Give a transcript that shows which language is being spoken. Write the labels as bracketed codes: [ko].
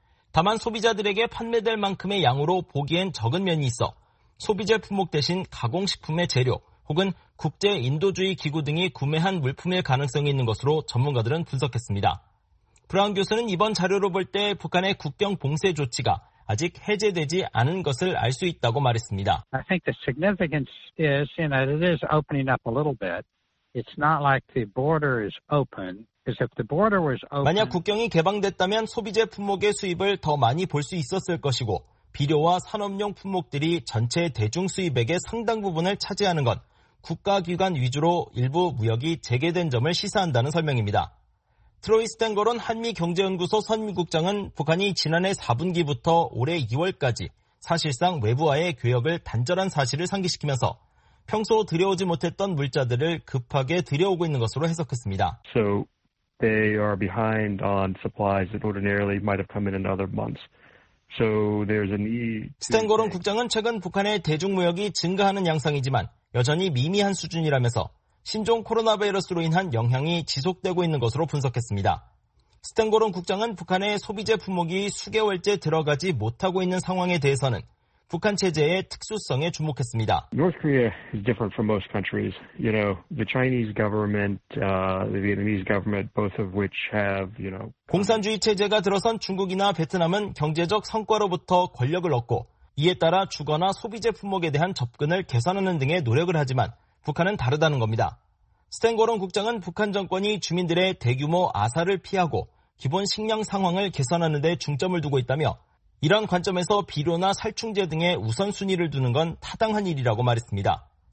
[ko] 다만 소비자들에게 판매될 만큼의 양으로 보기엔 적은 면이 있어 소비재 품목 대신 가공식품의 재료 혹은 국제인도주의 기구 등이 구매한 물품일 가능성이 있는 것으로 전문가들은 분석했습니다. 브라운 교수는 이번 자료로 볼 때 북한의 국경 봉쇄 조치가 아직 해제되지 않은 것을 알 수 있다고 말했습니다. [en] I think the significance is in that it is opening up a little bit. It's not like the border is open. Open, [ko] 만약 국경이 개방됐다면 소비재 품목의 수입을 더 많이 볼 수 있었을 것이고 비료와 산업용 품목들이 전체 대중 수입액의 상당 부분을 차지하는 건 국가기관 위주로 일부 무역이 재개된 점을 시사한다는 설명입니다. 트로이 스탠거론 한미경제연구소 선임국장은 북한이 지난해 4분기부터 올해 2월까지 사실상 외부와의 교역을 단절한 사실을 상기시키면서 평소 들여오지 못했던 물자들을 급하게 들여오고 있는 것으로 해석했습니다. [en] So, they are behind on supplies that ordinarily might have come in other months. So there's an e. [ko] 스탠거론 국장은 최근 북한의 대중 무역이 증가하는 양상이지만 여전히 미미한 수준이라면서 신종 코로나 바이러스로 인한 영향이 지속되고 있는 것으로 분석했습니다. 스탠거론 국장은 북한의 소비재 품목이 수개월째 들어가지 못하고 있는 상황에 대해서는 북한 체제의 특수성에 주목했습니다. [en] North Korea is different from most countries. You know, the Chinese government, the Vietnamese government, both of which have, you know. [ko] 공산주의 체제가 들어선 중국이나 베트남은 경제적 성과로부터 권력을 얻고 이에 따라 주거나 소비재 품목에 대한 접근을 개선하는 등의 노력을 하지만 북한은 다르다는 겁니다. 스탠고론 국장은 북한 정권이 주민들의 대규모 아사를 피하고 기본 식량 상황을 개선하는 데 중점을 두고 있다며 이런 관점에서 비료나 살충제 등의 우선순위를 두는 건 타당한 일이라고 말했습니다.